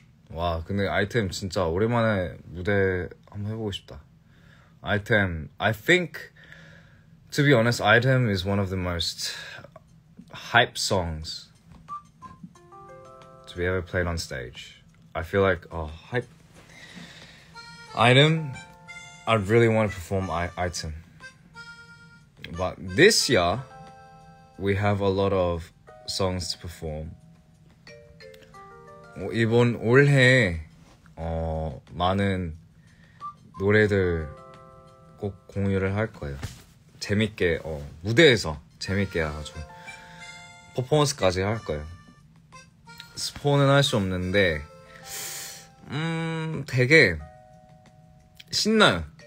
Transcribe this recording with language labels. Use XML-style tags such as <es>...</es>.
<ko>Wow, 근데 아이템 진짜 오랜만에 무대 한번 해보고 싶다.</ko> <en>아이템, I think, to be honest, 아이템 is one of the most hype songs to be ever played on stage. I feel like, oh, hype. 아이템. I really want to perform Item. But this year, we have a lot of songs to perform.</en> <ko>이번 올해 많은 노래들 꼭 공유를 할 거예요. 재밌게 무대에서 재밌게 아주 퍼포먼스까지 할 거예요. 스포는 할 수 없는데 되게 신나요.</ko>